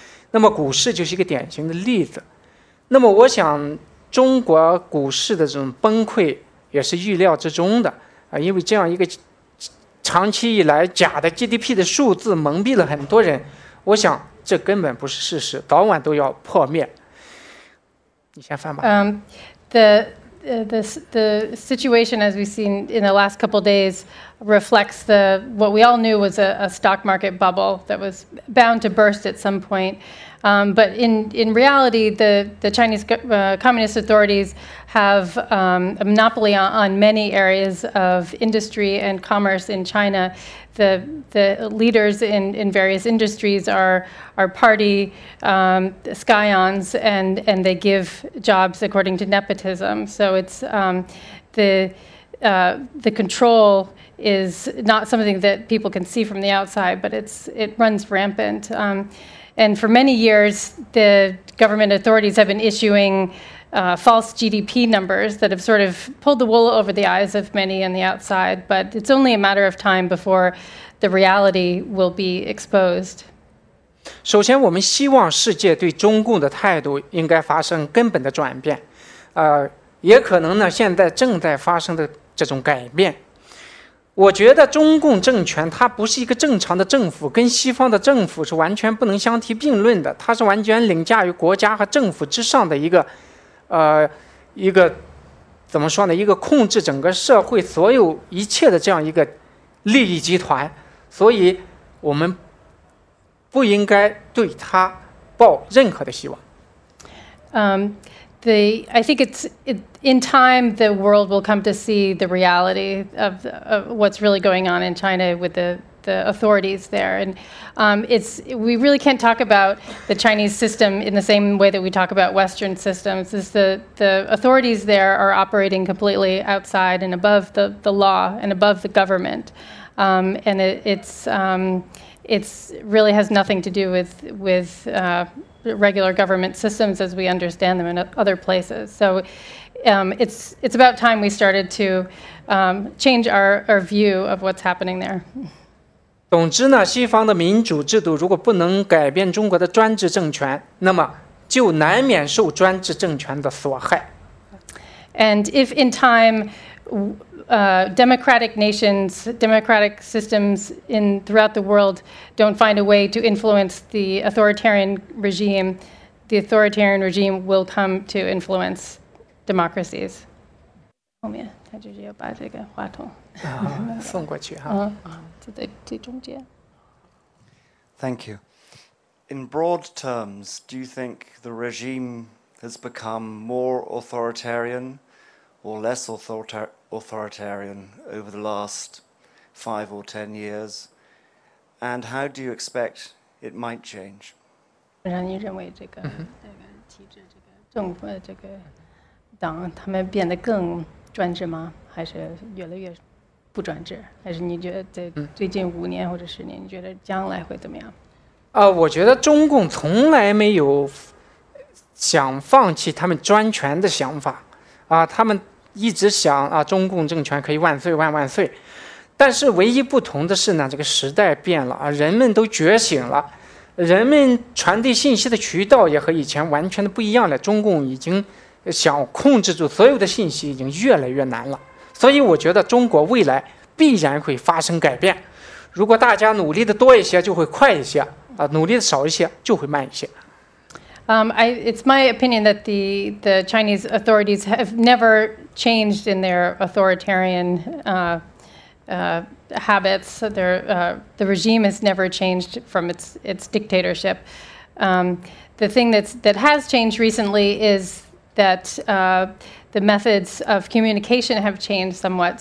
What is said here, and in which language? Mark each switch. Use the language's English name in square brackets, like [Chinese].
[Chinese] 那么股市就是一个典型的例子。那么我想中国股市的这种崩溃也是预料之中的啊，因为这样一个长期以来假的 GDP 的数字蒙蔽了很多人，我想这根本不是事实，早晚都要破灭。你先翻吧。 [English] The situation as we've seen in the last couple of days reflects the what we all knew was a stock market bubble that was bound to burst at some point. But in reality, the Chinese communist authorities have a monopoly on many areas of industry and commerce in China. The leaders in various industries are party scions, and they give jobs according to nepotism. So it's the control is not something that people can see from the outside, but it runs rampant. And for many years, the government authorities have been issuing false GDP numbers that have sort of pulled the wool over the eyes of many on the outside. But it's only a matter of time before the reality will be exposed. [Chinese] 首先，我们希望世界对中共的态度应该发生根本的转变，也可能呢，现在正在发生的这种改变。我觉得中共政权它不是一个正常的政府，跟西方的政府是完全不能相提并论的，它是完全凌驾于国家和政府之上的一个一个怎么说呢，一个控制整个社会所有一切的这样一个利益集团，所以我们不应该对它抱任何的希望。 [English] I think it's in time the world will come to see the reality of what's really going on in China with the authorities there. And we really can't talk about the Chinese system in the same way that we talk about Western systems. It's the authorities there are operating completely outside and above the law and above the government. And it's really has nothing to do with regular government systems as we understand them in other places. So it's about time we started to change our view of what's happening there. [Chinese] 总之呢，西方的民主制度如果不能改变中国的专制政权，那么就难免受专制政权的所害。 [English] And if in time democratic nations, democratic systems throughout the world don't find a way to influence the authoritarian regime, the authoritarian regime will come to influence democracies. [Chinese] 后面他就是要把这个话筒送过去哈，在中间。 [English] Thank you. In broad terms, do you think the regime has become more authoritarian or less authoritarian over the last 5 or 10 years, and how do you expect it might change? [Chinese] 让你认为这个体制、这个政府、这个党，他们变得更专制吗？还是越来越不专制？还是你觉得在最近五年或者十年，你觉得将来会怎么样？我觉得中共从来没有想放弃他们专权的想法他们一直想中共政权可以万岁万万岁，但是唯一不同的是呢，这个时代变了人们都觉醒了，人们传递信息的渠道也和以前完全的不一样了，中共已经想控制住所有的信息已经越来越难了，所以我觉得中国未来必然会发生改变，如果大家努力的多一些就会快一些努力的少一些就会慢一些。 [English] It's my opinion that the Chinese authorities have never changed in their authoritarian habits. So the regime has never changed from its dictatorship. The thing that has changed recently is that the methods of communication have changed somewhat.